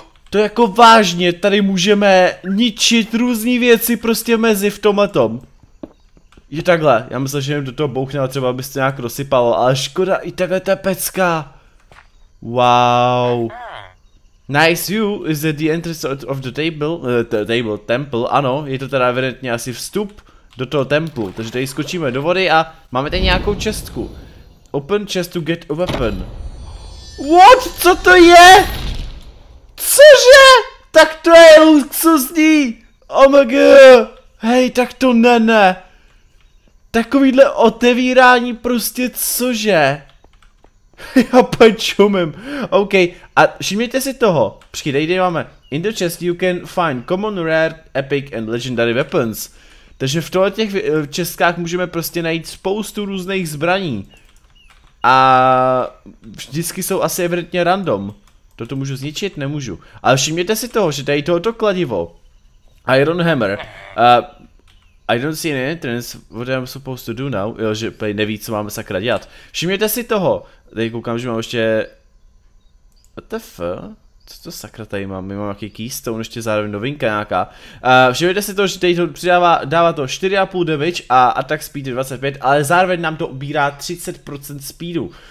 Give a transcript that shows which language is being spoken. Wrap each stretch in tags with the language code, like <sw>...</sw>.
<cs>to jako vážně, tady můžeme ničit různý věci prostě mezi v tomhletom. Je takhle, já myslím, že jim do toho bouchne, třeba bys to nějak rozsypalo, ale škoda, i takhle to je pecka. Wow.</cs> <en>Nice view, is that the entrance of the table?</en> <cs>Temple, ano, je to teda evidentně asi vstup do toho templu, takže tady skočíme do vody a máme tady nějakou čestku.</cs> <en>Open chest to get a weapon. What?</en> <cs>Co to je? Cože? Tak to je luxusní.</cs> <en>Oh my god.</en> <cs>Hej, tak to ne. Takovýhle otevírání prostě cože? Já pečumím. OK, a všimněte si toho. Přijde, jde, máme.</cs> <en>In the chest you can find common, rare, epic and legendary weapons.</en> <cs>Takže v tohle těch čestkách můžeme prostě najít spoustu různých zbraní. A vždycky jsou asi evidentně random. Toto můžu zničit? Nemůžu. Ale všimněte si toho, že tady tohoto kladivo.</cs> <en>Iron Hammer. I don't see any entrance, what am I supposed to do now?</en> <cs>Jo, že play neví, co máme sakra dělat. Všimněte si toho. Tady koukám, že mám ještě...</cs> <en>what the f?</en> <cs>Co to sakra tady mám? My mám nějaký keystone, ještě zároveň novinka nějaká. Všimněte si toho, že tady to přidává, dává to 4,5 damage a attack speed je 25, ale zároveň nám to ubírá 30% speedu.</cs>